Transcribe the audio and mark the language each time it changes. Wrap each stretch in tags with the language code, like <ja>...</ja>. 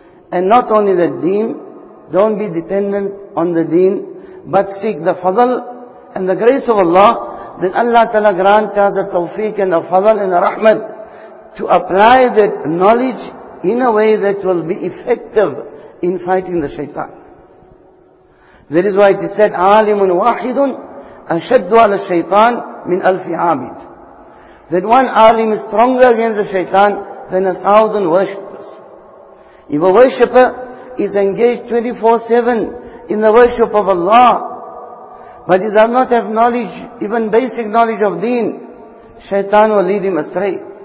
<en>And not only the deen, don't be dependent on the deen, but seek the fadl and the grace of Allah, then Allah Ta'ala grant us the tawfiq and the fadl and the rahmat to apply that knowledge in a way that will be effective in fighting the shaitan. That is why it is said,</en> <ar>عَالِمٌ وَاحِدٌ أَشَدُّ عَلَى الشَّيْطَانِ مِنْ أَلْفِ عَابِدٍ.</ar> <en>That one alim is stronger against the shaitan than 1,000 worshippers. If a worshipper is engaged 24/7 in the worship of Allah, but he does not have knowledge, even basic knowledge of deen, shaitan will lead him astray.</en>